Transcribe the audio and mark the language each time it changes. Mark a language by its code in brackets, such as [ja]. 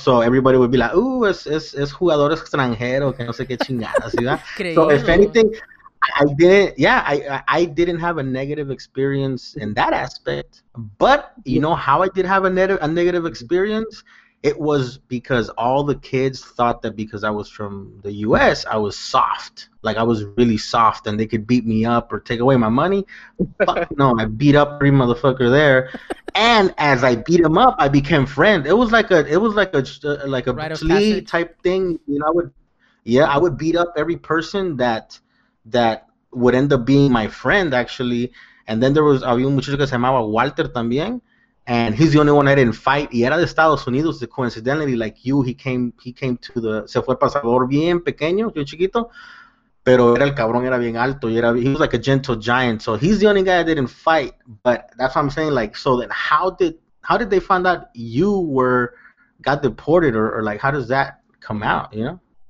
[en] So everybody would be like, ooh, [es] es jugador extranjero, que no sé qué chingada, ¿sí? [en] So if anything, I didn't have a negative experience in that aspect, but you know how I did have a negative experience? It was because all the kids thought that because I was from the U.S., I was soft. Like, I was really soft, and they could beat me up or take away my money. But no, I beat up every motherfucker there. And as I beat him up, I became friends. It was like a Bruce Lee type thing. You know, I would beat up every person that would end up being my friend, actually. And then there was [es] un muchacho que se llamaba Walter también. [en] And he's the only one I didn't fight. [es] Y era de Estados Unidos, [en] coincidentally, like you, he came to the, [es] se fue para Salvador bien pequeño, bien chiquito, pero era el cabrón, era bien alto, [en] he was like a gentle giant. So he's the only guy I didn't fight, but that's what I'm saying, like, so then how did they find out you got deported, or like, how does that come out, you know?